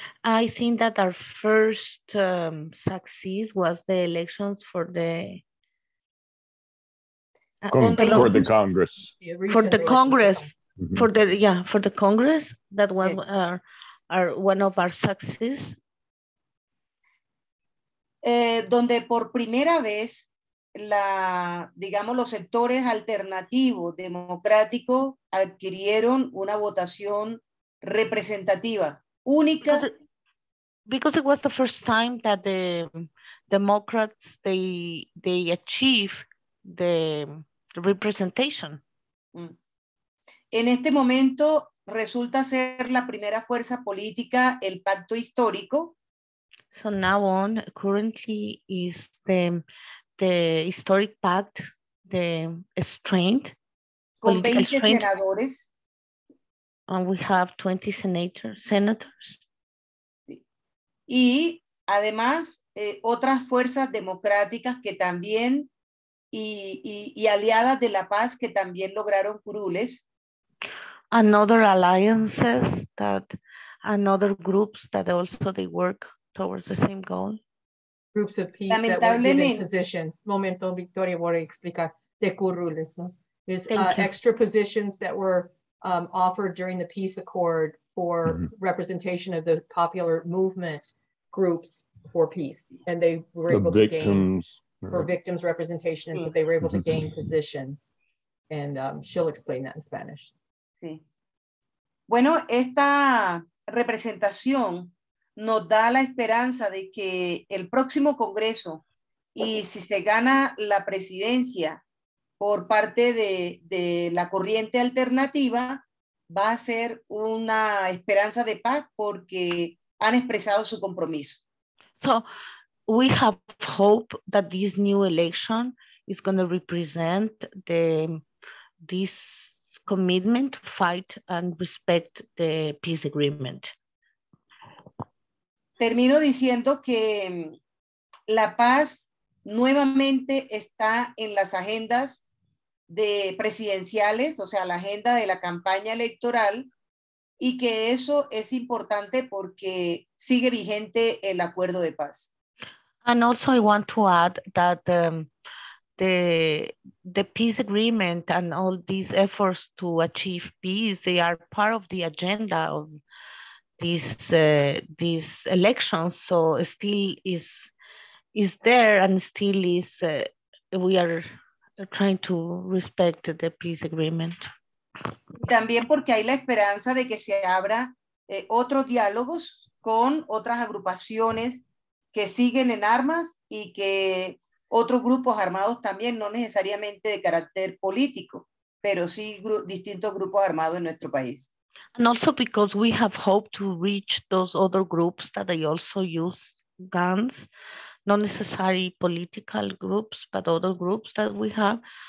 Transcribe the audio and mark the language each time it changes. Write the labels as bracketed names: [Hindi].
[English] I think that our first success was the elections for the for the Congress. For the Congress. Mm-hmm. For the Congress. That was our one of our successes. [Spanish] Donde por primera vez la, digamos, los sectores alternativos democráticos adquirieron una votación representativa. Única. [English] Because it was the first time that the Democrats they achieve the representation. [Spanish] En este momento resulta ser la primera fuerza política el pacto histórico. [English] So now on, currently is the historic pact, the strength. [Spanish] Con 20 senadores. [English] And we have 20 senators. [Spanish] Y además otras fuerzas democráticas que también y aliadas de la paz que también lograron curules. [English] Another alliances that and other groups that also they work towards the same goal. Groups of peace that were given positions. [Spanish] Momento, Victoria, voy a explicar de curules. ¿No? [English] Is extra positions that were offered during the peace accord for representation of the popular movement groups for peace. And they were the able victims, to gain for victims representation. And so they were able to gain positions. And she'll explain that in Spanish. [Spanish] Sí. Bueno, esta representación nos da la esperanza de que el próximo Congreso y si se gana la presidencia por parte de la corriente alternativa, va a ser una esperanza de paz porque han expresado su compromiso. [English] So we have hope that this new election is going to represent this commitment, fight and respect the peace agreement. [Spanish] Termino diciendo que la paz nuevamente está en las agendas de presidenciales, o sea, la agenda de la campaña electoral, y que eso es importante porque sigue vigente el acuerdo de paz. [English] And also I want to add that the peace agreement and all these efforts to achieve peace, they are part of the agenda of these elections, so still is there and still is we are trying to respect the peace agreement. [Spanish] También porque hay la esperanza de que se abra otros diálogos con otras agrupaciones que siguen en armas y que otros grupos armados también, no necesariamente de carácter político, pero sí distintos grupos armados en nuestro país. [English] And also because we have hope to reach those other groups that they also use guns, not necessarily political groups, but other groups that we have.